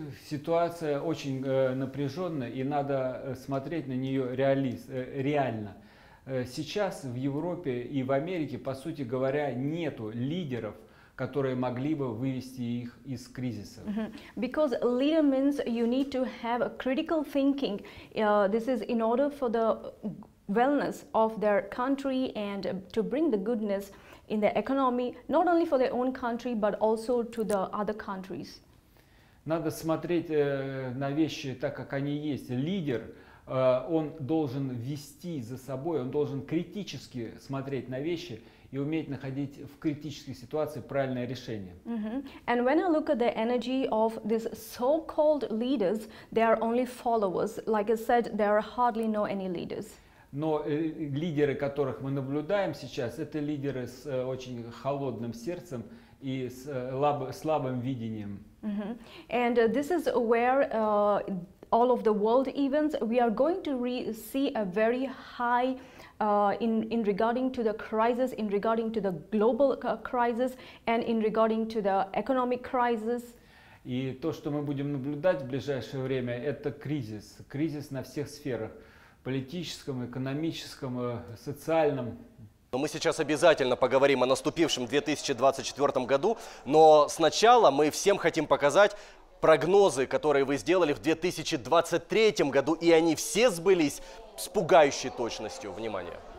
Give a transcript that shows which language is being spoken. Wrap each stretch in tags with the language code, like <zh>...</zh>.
<ru>Ситуация очень напряженная, и надо смотреть на нее реально. Сейчас в Европе и в Америке, по сути говоря, нету лидеров, которые могли бы вывести их из кризиса.</ru> <en>Because leader means you need to have a critical thinking. This is in order for the wellness of their country and to bring the goodness in the economy, not only for their own country, but also to the other countries.</en> <ru>Надо смотреть на вещи так, как они есть. Лидер, он должен вести за собой, он должен критически смотреть на вещи и уметь находить в критической ситуации правильное решение.</ru> <en>And when I look at the energy of these so-called leaders, they are only followers. Like I said, there are hardly no any leaders.</en> <ru>Но лидеры, которых мы наблюдаем сейчас, это лидеры с очень холодным сердцем и с слабым видением.</ru> <en>And this is where all of the world events, we are going to see a very high in regarding to the crisis, in regarding to the global crisis, and in regarding to the economic crisis.</en> <ru>И то, что мы будем наблюдать в ближайшее время, это кризис. Кризис на всех сферах. Политическом, экономическом, социальном. Но мы сейчас обязательно поговорим о наступившем 2024 году, но сначала мы всем хотим показать прогнозы, которые вы сделали в 2023 году, и они все сбылись с пугающей точностью. Внимание!</ru>